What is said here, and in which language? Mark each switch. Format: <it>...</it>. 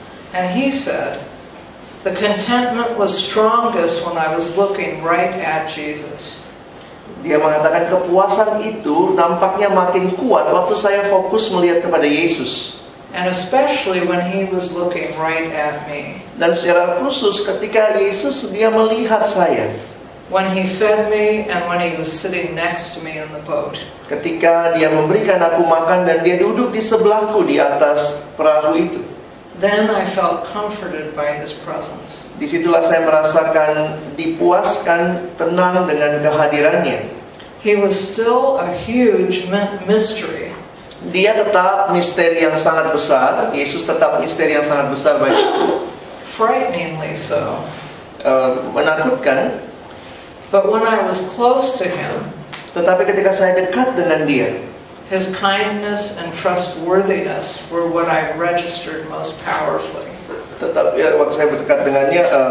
<en>And he said, the contentment was strongest when I was looking right at Jesus.</en> <id>Dia mengatakan kepuasan itu nampaknya makin kuat waktu saya fokus melihat kepada Yesus.</id> <en>And especially when he was looking right at me.</en> <id>Dan secara khusus ketika Yesus dia melihat saya.</id> <en>When he fed me and when he was sitting next to me in the boat.</en> <id>Ketika dia memberikan aku makan dan dia duduk di sebelahku di atas perahu itu.</id> <en>Then I felt comforted by his presence.</en> <id>Disitulah saya merasakan dipuaskan, tenang dengan kehadirannya.</id> <en>He was still a huge mystery.</en> <id>Dia tetap misteri yang sangat besar. Yesus tetap misteri yang sangat besar bagi aku.</id> <en>Frighteningly so.</en> <id>Menakutkan.</id> <en>But when I was close to him,</en> <id>tetapi ketika saya dekat dengan dia,</id> <en>his kindness and trustworthiness were what I registered most powerfully.</en> <id>Tetapi waktu saya dekat dengannya,</id>